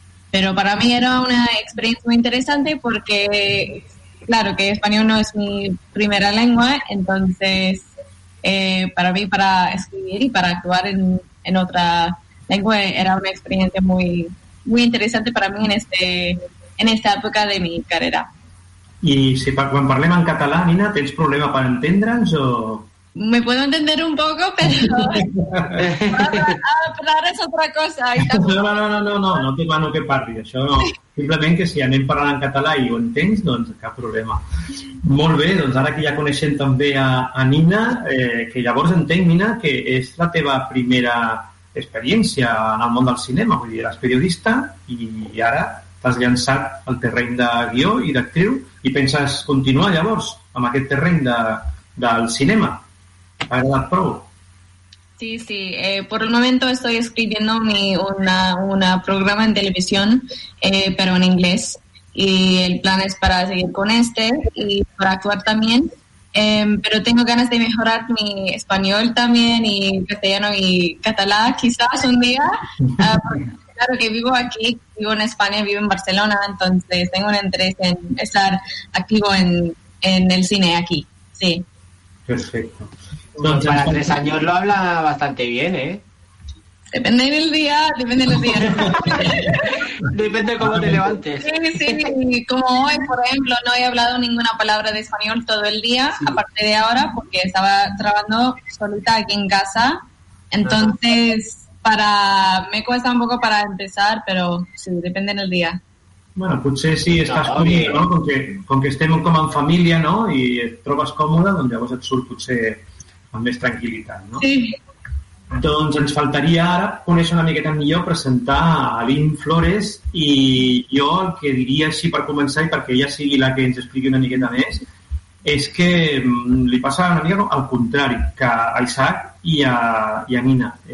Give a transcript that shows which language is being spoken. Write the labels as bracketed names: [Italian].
[Spanish] Pero para mí era una experiencia muy interesante porque, claro, que español no es mi primera lengua, entonces para mí, para escribir y para actuar en otra lengua era una experiencia muy, muy interesante para mí en esta época de mi carrera. [Catalan] I si quan parlem en català, Nina, tens problema per entendre'ns o...? [Spanish] Me puedo entender un poco, pero... Hablar es otra cosa. [Catalan] No te mano que parli, això no. Simplement que si anem parlant en català i ho entens, doncs cap problema. Molt bé, doncs ara que ja coneixem també a Nina, que llavors entenc, Nina, que és la teva primera experiència en el món del cinema. Vull dir, eres periodista i ara... T'has llançat al terreny de guió i d'actriu i penses continuar llavors amb aquest terreny del cinema. T'ha agradat prou? Sí, sí. [Spanish] Por el momento estoy escribiendo una programa en televisión, pero en inglés. Y el plan es para seguir con este y para actuar también. Pero tengo ganas de mejorar mi español también y castellano y catalán quizás un día. Claro que vivo aquí, vivo en España, vivo en Barcelona, entonces tengo un interés en estar activo en el cine aquí, sí. Perfecto. Entonces, para 3 años lo habla bastante bien, ¿eh? Depende del día, depende del día. Depende de cómo te levantes. Sí, sí, como hoy, por ejemplo, no he hablado ninguna palabra de español todo el día, sí. Aparte de ahora, porque estaba trabajando solita aquí en casa, entonces... Ajá. Para... Me cuesta un poco para empezar, pero sí, depende del día. [Catalan] Bueno, potser si estàs [Spanish] conmigo, [Catalan] ¿no? Com que estem com en família, ¿no? I et trobes còmode, doncs llavors et surt potser amb més tranquil·litat, ¿no? Sí. Doncs ens faltaria ara conèixer una miqueta millor, presentar a Lynn Flores i jo el que diria així per començar i perquè ella sigui la que ens expliqui una miqueta més és que li passa una mica al contrari que a Isaac i a Nina.